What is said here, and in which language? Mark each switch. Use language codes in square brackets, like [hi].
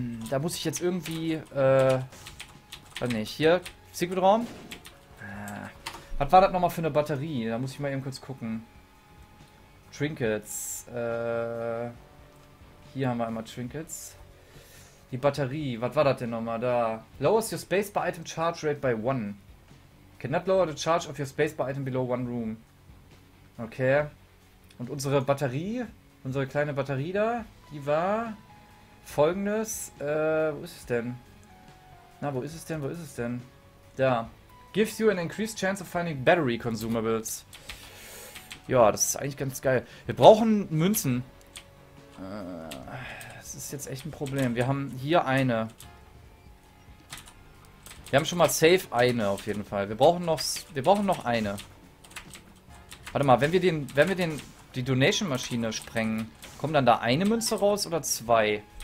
[de] Da muss ich jetzt irgendwie, hier, Secret-Raum. Was war das nochmal für eine Batterie? Da muss ich mal eben kurz gucken. Trinkets, hier haben wir einmal Trinkets. Die Batterie, was war das denn nochmal da? [en] Lowers your space by item charge rate by one. Cannot lower the charge of your space by item below one room. [de] Okay. Und unsere Batterie, unsere kleine Batterie da, die war... folgendes, wo ist es denn? Na, wo ist es denn? Wo ist es denn? Da. [en] Gives you an increased chance of finding battery consumables. [de] Ja, das ist eigentlich ganz geil. Wir brauchen Münzen. Das ist jetzt echt ein Problem. Wir haben hier eine. Wir haben schon mal safe eine auf jeden Fall. Wir brauchen noch eine. Warte mal, wenn wir die Donation-Maschine sprengen, kommen dann da eine Münze raus oder zwei?